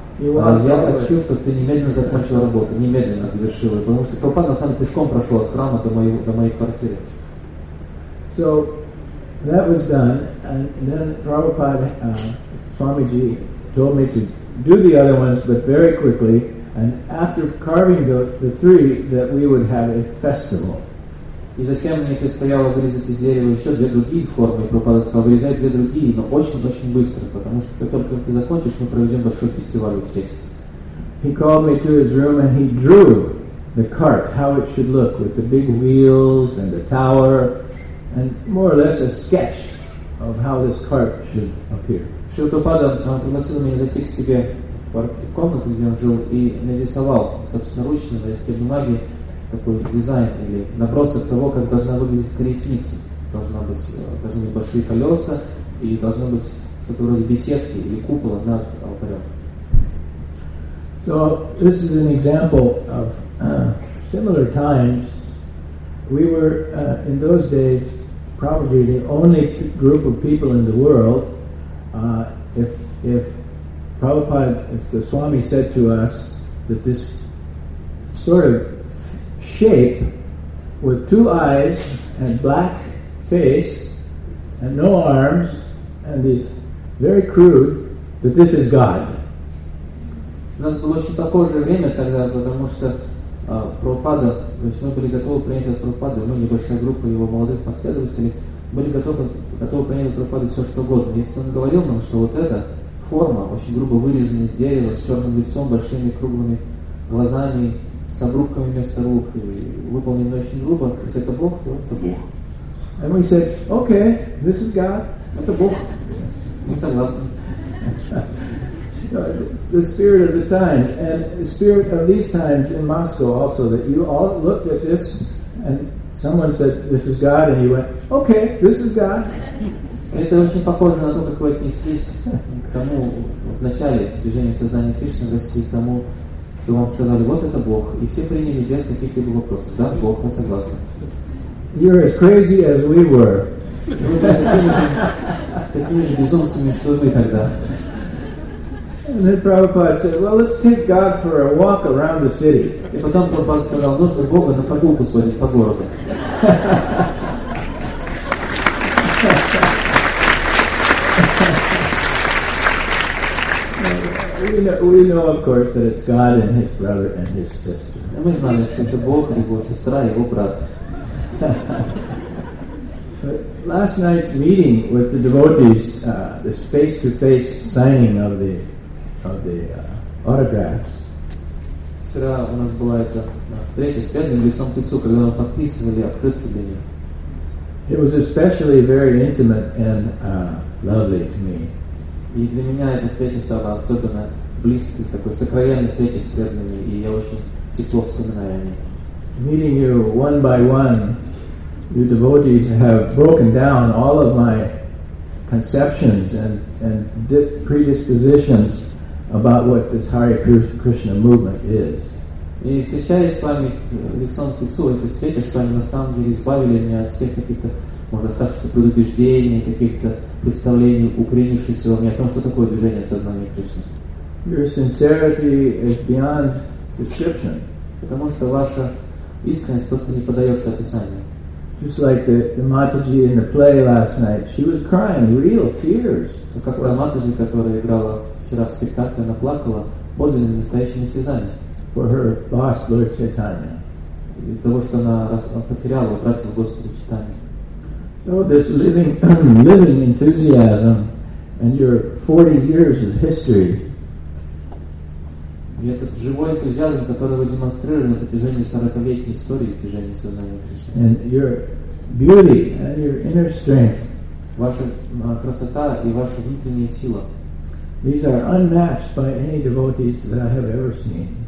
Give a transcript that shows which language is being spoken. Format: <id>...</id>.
<ru>Я хочу, чтобы ты немедленно закончил работу, немедленно завершил ее, потому что Прабхупада сам пешком прошел от храма до моей квартиры.</ru> <en>So that was done, and then Prabhupada, Swamiji, told me to do the other ones, but very quickly. And after carving the three, that we would have a festival.</en> <ru>И затем мне предстояло вырезать из дерева еще 2 другие формы. Прабхупада сказал, вырезать 2 другие, но очень-очень быстро, потому что как только ты закончишь, мы проведем большой фестиваль в честь.</ru> <en>He called me to his room and he drew the cart, how it should look, with the big wheels and the tower, and more or less a sketch of how this cart should appear.</en> <ru>Шри Прабхупада пригласил меня зайти к себе в комнату, где он жил, и нарисовал собственноручно на листе бумаги такой дизайн или набросок того, как должна выглядеть колесница. Должны быть большие колеса и должно быть что-то вроде беседки или купола над алтарем.</ru> <en>So this is an example of similar times. We were in those days probably the only group of people in the world. If the Swami said to us that this sort of shape with 2 eyes and black face and no arms and is very crude, that this is God.</en> <ru>У нас было очень такое же время тогда, потому что Прабхупада, то есть мы были готовы принять от Прабхупады, мы небольшая группа его молодых последователей, были готовы принять от Прабхупады все что угодно. Если он говорил нам, что вот эта форма, очень грубо вырезанная из дерева, с черным лицом, большими круглыми глазами, с обрубками вместо рук, выполнено очень грубо. Если это Бог, то это Бог.</ru> <en>And we said, okay, this is God.</en> <ru>Это Бог. Мы согласны.</ru> <en>The spirit of the times and the spirit of these times in Moscow also, that you all looked at this and someone said, this is God, and you went, okay, this is God.</en> <ru>Это очень похоже на то, как вы отнеслись к тому, в начале движения сознания Кришны в России, к тому, что вам сказали, вот это Бог, и все приняли без каких-либо вопросов. Да, Бог, мы согласны.</ru> <en>You're as crazy as we were.</en> <ru>Такими же безумцами, что мы тогда.</ru> <en>And then Prabhupada said, well, let's take God for a walk around the city.</en> <ru>И потом Прабхупада сказал, нужно Бога на прогулку сводить по городу.</ru> <en>We know, of course, that it's God and His brother and His sister.</en> <ru>Мы знаем, что это Бог, Его сестра, Его брат.</ru> <en>But last night's meeting with the devotees, this face-to-face signing of the autographs.</en> <ru>Вчера у нас была эта встреча с преданным лицом к лицу, когда мы подписывали открытки для них.</ru> <en>It was especially very intimate and lovely to me.</en> <ru>И для меня эта встреча стала особенно близкой, такой сокровенной встречи с преданными, и я очень тепло вспоминаю о ней.</ru> <en>Meeting you one by one, you devotees have broken down all of my conceptions and predispositions about what this Hare Krishna movement is.</en> <ru>И встречаясь с вами лицом к лицу, эти встречи с вами на самом деле избавили меня от всех каких-то, можно сказать, предубеждений, каких-то представлений, укоренившихся во мне о том, что такое движение сознания Кришны.</ru> <en>Your sincerity is beyond description.</en> <ru>Потому что ваша искренность просто не поддается описанию.</ru> <en>Just like the Mataji in the play last night, she was crying real tears.</en> <ru>Как та Матаджи, которая играла вчера в спектакле, она плакала подлинными настоящими слезами.</ru> <en>For her boss, Lord Chaitanya.</en> <ru>Из-за того, что она потеряла, утратила Господа Читания.</ru> <en>So this living enthusiasm and your 40 years of history.</en> <ru>И этот живой энтузиазм, который вы демонстрировали на протяжении 40-летней истории движения сознания Кришны.</ru> <en>And your beauty and your inner strength.</en> <ru>Ваша красота и ваша внутренняя сила.</ru> <en>These are unmatched by any devotees that I have ever seen.</en>